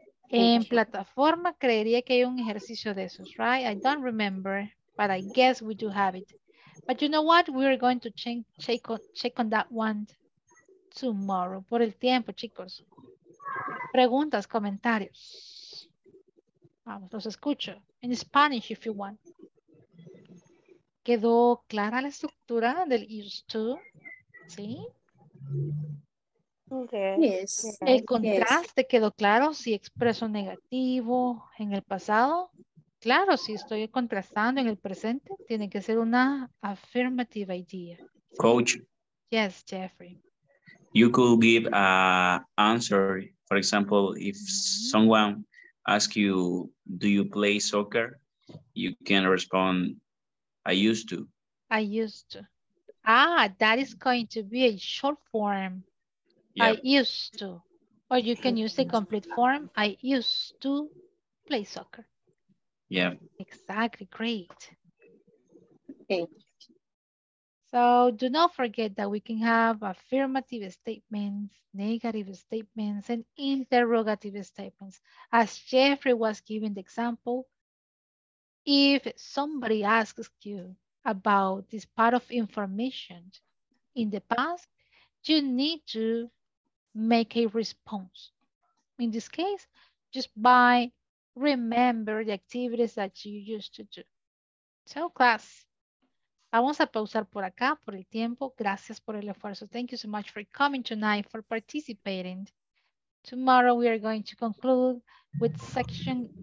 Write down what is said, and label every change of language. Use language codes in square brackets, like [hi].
[es] En plataforma creería que hay un ejercicio de esos, [en] right? I don't remember, but I guess we do have it. But you know what? We're going to check on that one tomorrow. [es] Por el tiempo, chicos. Preguntas, comentarios. Vamos, los escucho. [en] In Spanish, if you want. [es] ¿Quedó clara la estructura del used to? ¿Sí? [en] Yes. [es] El contraste quedó claro, si expreso negativo en el pasado, claro, si estoy contrastando en el presente, tiene que ser una [en] affirmative idea. Coach. Yes, Jeffrey. You could give an answer, for example, if someone asks you, do you play soccer? You can respond, I used to. Ah, that is going to be a short form. Yep. I used to, or you can use the complete form. I used to play soccer. Yeah. Exactly. Great. Okay. So do not forget that we can have affirmative statements, negative statements, and interrogative statements. As Jeffrey was giving the example, if somebody asks you about this part of information in the past, you need to make a response. In this case, just by remember the activities that you used to do. So class, [es] vamos a pausar por acá por el tiempo. Gracias por el esfuerzo. [en] Thank you so much for coming tonight, for participating. Tomorrow we are going to conclude with section